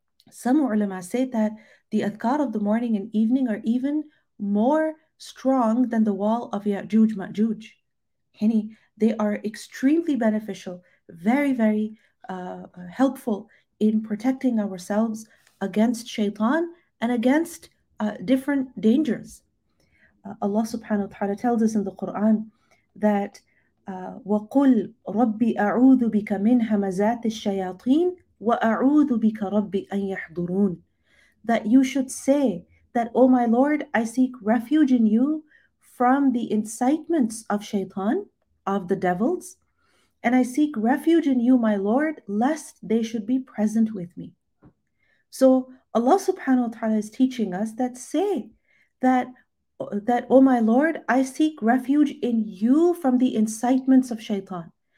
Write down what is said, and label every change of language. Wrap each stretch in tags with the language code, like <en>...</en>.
<en>Some ulama say that the adhkar of the morning and evening are even more strong than the wall of Ya'juj Ma'juj. Hini, they are extremely beneficial, very, very helpful in protecting ourselves against shaitan and against different dangers. Allah subhanahu wa ta'ala tells us in the Quran that</en> <ar>وَقُلْ رَبِّ أَعُوذُ بِكَ مِنْ هَمَزَاتِ الشَّيَاطِينِ وَأَعُوذُ بِكَ رَبِّ أَنْ يَحْضُرُونَ.</ar> <en>That you should say that, O my Lord, I seek refuge in you from the incitements of shaitan, of the devils, and I seek refuge in you, my Lord, lest they should be present with me. So Allah subhanahu wa ta'ala is teaching us that say that, O my Lord, I seek refuge in you from the incitements of shaitan.</en>